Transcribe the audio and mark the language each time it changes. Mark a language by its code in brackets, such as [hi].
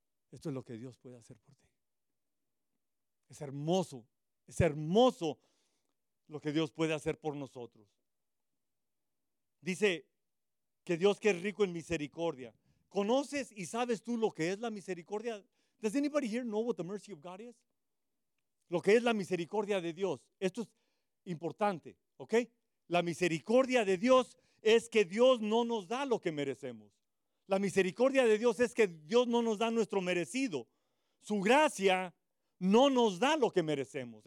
[es] Esto es lo que Dios puede hacer por ti. Es hermoso lo que Dios puede hacer por nosotros. Dice que Dios que es rico en misericordia. ¿Conoces y sabes tú lo que es la misericordia? [en] Does anybody here know what the mercy of God is? [es] Lo que es la misericordia de Dios. Esto es importante, ¿ok? La misericordia de Dios es que Dios no nos da lo que merecemos. La misericordia de Dios es que Dios no nos da nuestro merecido. Su gracia no nos da lo que merecemos.